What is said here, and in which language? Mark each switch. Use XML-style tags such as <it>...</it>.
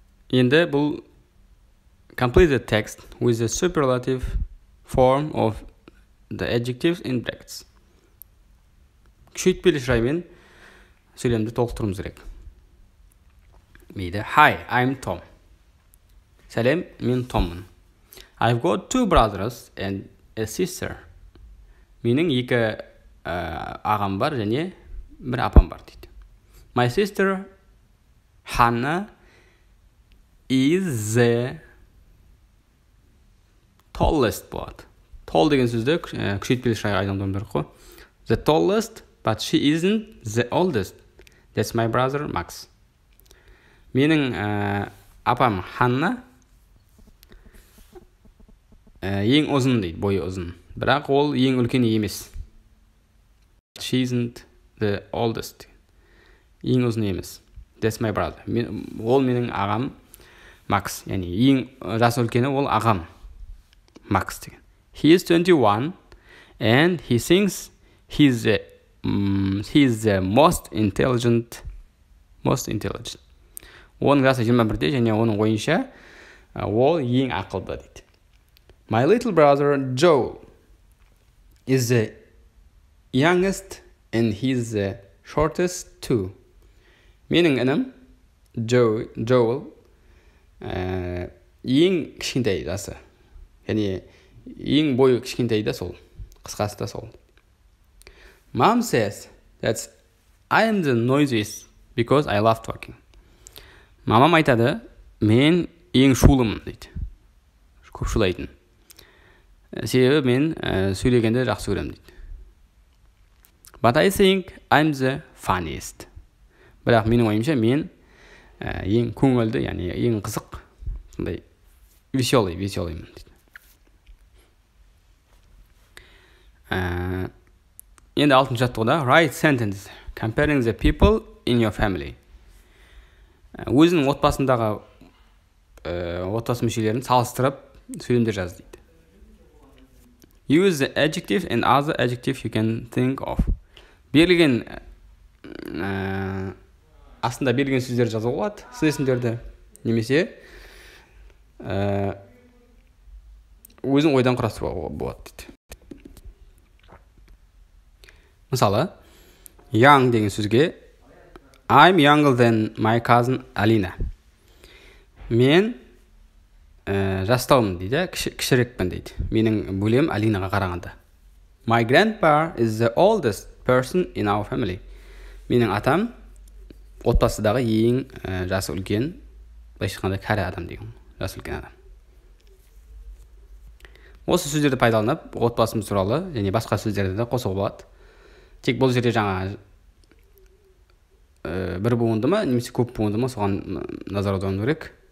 <kk>Енді бұл</kk> <en>complete the text with the superlative form of the adjectives in brackets.</en> <kk>күшейтпелі шыраймен сөйлемді толықтыруымыз керек. Мейді,</kk> <en>hi, I'm Tom.</en> <kk>Сәлем, мен Томмын.</kk> <en>I've got two brothers and a sister.</en> <kk>Менің екі ағам бар және бір апам бар дейді.</kk> <en>My sister Hannah is the tallest boy.</en> <kk>Tall деген сөзді күшейтпелі шырай айналдырмын бір қо.</kk> <en>The tallest, but she isn't the oldest. That's my brother Max.</en> <kk>Менің апам Hannah ең ұзын дейді, бойы ұзын. Бірақ ол ең үлкені емес.</kk> <en>She isn't the oldest.</en> <kk>Ең ұзын емес. That's my brother. Ол менің ағам Max. Яғни, ең жас үлкені ол ағам Max деген.</kk> <en>He is 21 and he thinks he's the most intelligent.</en> <kk>Оның жасы 21-де және оның ойынша ол ең ақылды дейді.</kk> <en>My little brother Joe is the youngest and he's the shortest too.</en> <kk>Менің інім Joel ең кішкентай жасы. Яғни ең бойы кішкентай да сол. Қысқасы да сол.</kk> <en>Mom says that I am the noisiest because I love talking.</en> <kk>Мамам айтады, мен ең шулымын дейді. Көп шулайтын. Себебі мен сөйлегенде жақсы көремін дейді.</kk> <en>But I think I'm the funniest.</en> <kk>Бірақ менің ойымша мен ең көңілді, яғни ең қызық, сондай веселый дейді. Енді алтыншы жаттығыда</kk> <en>write sentence comparing the people in your family.</en> <kk>Өзінің отбасындағы отбасы мүшелерін салыстырып сөйлемдер жаз дейді.</kk> <en>Use the adjective and other adjective you can think of.</en> <kk>Берілген астында берілген сөздерді жазуға болады, сын есімдерді. Немесе өзің ойдан құрастыруға болады дейді. Мысалы,</kk> <en>young</en> <kk>деген сөзге</kk> <en>I'm younger than my cousin Alina.</en> <kk>Мен жастауым дейді, кішірекпін дейді. Менің бөлем Алинаға қарағанда.</kk> <en>My grandpa is the oldest person in our family.</en> <kk>Менің атам отбасыдағы ең жасы үлкен, былайша айтқанда кәрі адам деген, жасы үлкен адам. Осы сөздерді пайдаланып, отбасымыз туралы және басқа сөздерді де қосуға болады. Тек бұл жерде жаңа бір буынды ма, немесе көп буынды ма, соған назар аудару керек.</kk>